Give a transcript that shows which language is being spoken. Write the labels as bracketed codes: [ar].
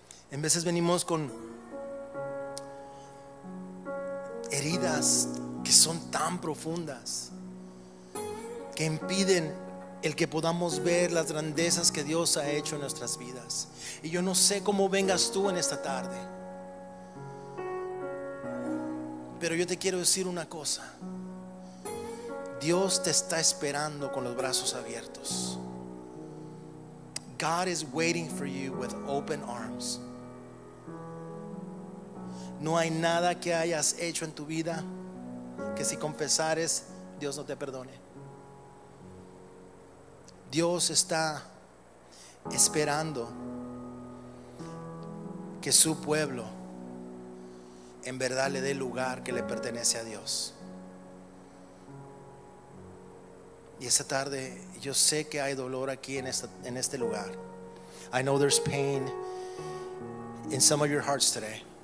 [es] En veces venimos con heridas que son tan profundas que impiden el que podamos ver las grandezas que Dios ha hecho en nuestras vidas. Y yo no sé cómo vengas tú en esta tarde, pero yo te quiero decir una cosa: Dios te está esperando con los brazos abiertos. [en] God is waiting for you with open arms. [es] No hay nada que hayas hecho en tu vida que si confesares, Dios no te perdone. Dios está esperando que su pueblo en verdad le dé el lugar que le pertenece a Dios. Y esta tarde yo sé que hay dolor aquí en este lugar. [en] I know there's pain in some of your hearts today.